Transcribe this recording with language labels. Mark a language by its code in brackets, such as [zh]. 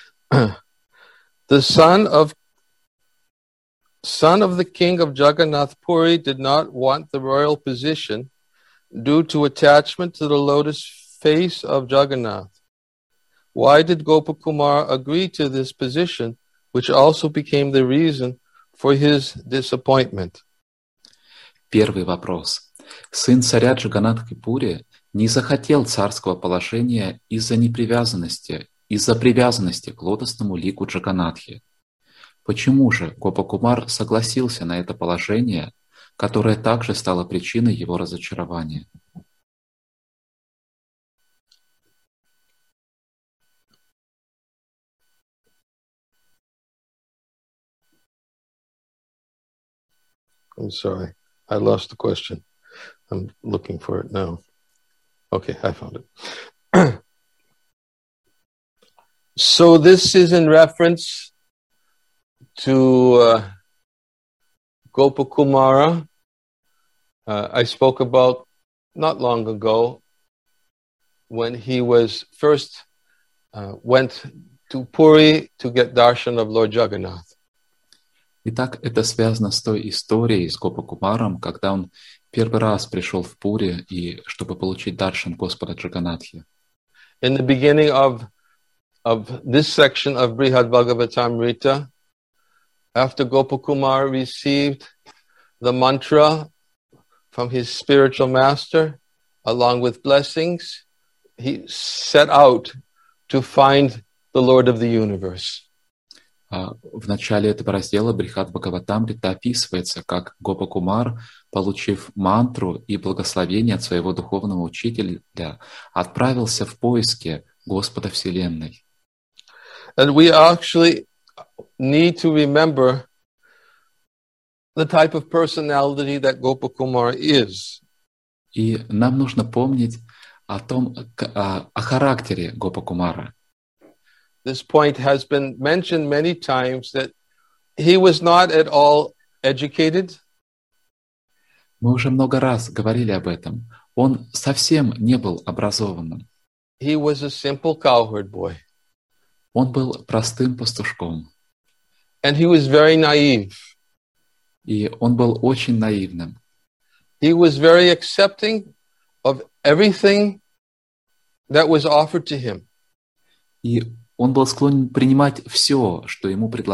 [en] The son of the king of Jagannath Puri did not want the royal position due to attachment to the lotus face of Jagannath. Why did Gopakumar agree to this position, which also became the reason for his disappointment. [ru] Первый вопрос. Сын царя Джаганнатха Кипури не захотел царского положения из-за привязанности к лотосному лику Джаганнатхи. Почему же Гопа-кумар согласился на это положение, которое также стало причиной его разочарования? [en] I'm sorry, I lost the question. I'm looking for it now. Okay, I found it. So this is in reference to Gopakumara. I spoke about not long ago when he was first went to Puri to get darshan of Lord Jagannath. [ru] Итак, это связано с той историей с Гопа-кумаром, когда он первый раз пришел в Пури, и чтобы получить даршан Господа Джаганатхи. [en] In the beginning of this section of Brihad Bhagavatamrita, after Gopa-kumar received the mantra from his spiritual master, along with blessings, he set out to find the Lord of the Universe. [ru] В начале этого раздела Брихад Бхагаватамрита описывается, как Гопа-кумар, получив мантру и благословение от своего духовного учителя, отправился в поиски Господа Вселенной. [en] And we actually need to remember the type of personality that Gopa-kumar is. [ru] И нам нужно помнить о том, о характере Гопа-кумара. [en] This point has been mentioned many times that he was not at all educated. [ru] Мы уже много раз говорили об этом. Он совсем не был образованным. [en] He was a simple cowherd boy. [ru] Он был простым пастушком. [en] And he was very naive. [ru] И он был очень наивным. [en] He was very accepting of everything that was offered to him. [ru] И он был склонен принимать все, что ему